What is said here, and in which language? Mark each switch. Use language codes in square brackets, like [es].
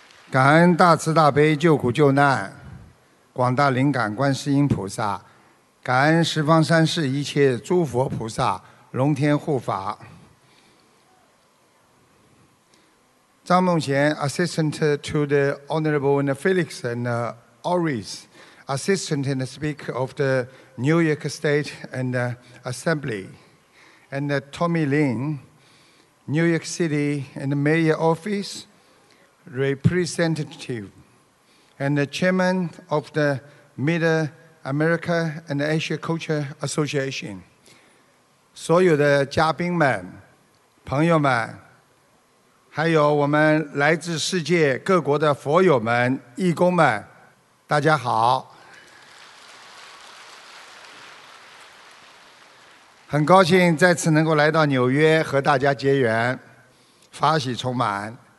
[zh] 感恩大慈大悲救苦救难广大灵感观世音菩萨，感恩十方三世一切诸佛菩萨龙天护法。 [en] 张梦贤 Assistant to the Honorable Felix and Auris, Assistant and Speaker of the New York State and Assembly, and Tommy Lin, New York City and Mayor Office Representative, and the Chairman of the Middle America and Asia Culture Association. [zh] 所有的嘉宾们，朋友们，还有我们来自世界各国的佛友们、义工们，大家好。很高兴再次能够来到纽约和大家结缘，法喜充满。